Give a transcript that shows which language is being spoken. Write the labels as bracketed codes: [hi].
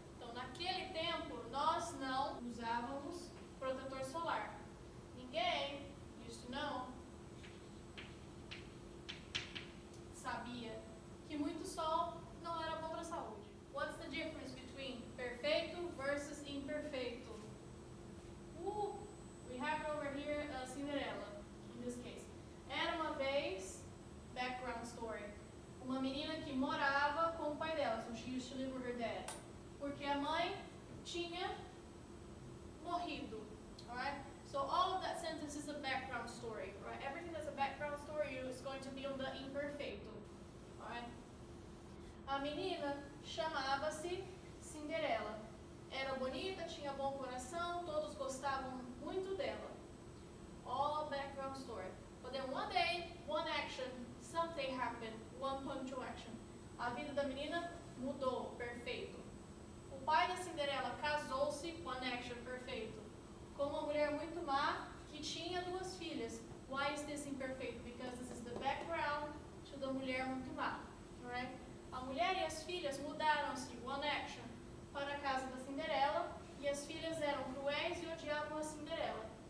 [pt] Então, naquele tempo, nós não usávamos protetor solar. Ninguém, isso não, sabia que muito sol não era bom para a saúde. [en] What's the difference between perfeito versus imperfeito? We have over here a Cinderella, in this case. [pt] Era uma vez, [en] background story. [pt] Uma menina que morava com o pai dela. [en] So she used to live with her dad. [pt] Porque a mãe tinha morrido. [en] Alright? So all of that sentence is a background story. Right? Everything that's a background story is going to be on the imperfeito. [pt] Alright? A menina chamava-se Cinderela. Era bonita, tinha bom coração, todos gostavam muito dela. [en] All background story. But then one day, one action, something happened, one punctual action. [pt] A vida da menina mudou, perfeito. O pai da Cinderela casou-se, [en] one action, [pt] perfeito. Com uma mulher muito má, que tinha duas filhas. [en] Why is this [pt] imperfeito? [en] Because this is the background to the [pt] mulher muito má, [en] right? [pt] A mulher e as filhas mudaram-se, one action, para a casa da Cinderela, e as filhas eram cruéis e odiavam a Cinderela.